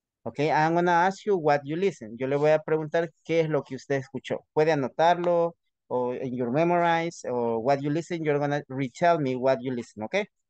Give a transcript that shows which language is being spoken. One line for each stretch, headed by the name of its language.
English: Okay, I'm going to ask you what you listen.
Spanish: Yo le voy a preguntar qué es lo que usted escuchó. Puede anotarlo, o
English: in your memorize, or what you listen. You're going to retell me what you listen, okay?